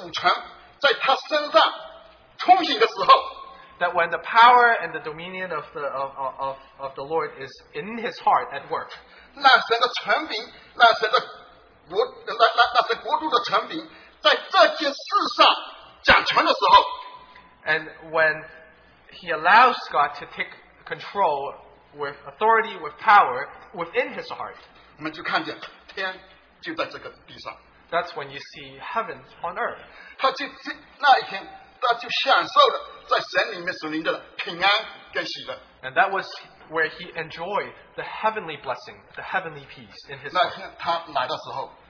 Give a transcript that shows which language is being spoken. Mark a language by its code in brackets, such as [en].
[zh] 神的权柄，神的主权在他身上充盈的时候， [en] that when the power and the dominion of the Lord is in his heart at work, [zh] 那神的权柄，那神的国度的权柄，在这件事上掌权的时候， [en] and when he allows God to take control with authority, with power within his heart, [zh] 我们就看见天就在这个地上。 [en] That's when you see heaven on earth. [zh] 他就享受了在神里面所领的平安跟喜乐。 [en] And that was where he enjoyed the heavenly blessing, the heavenly peace in his heart.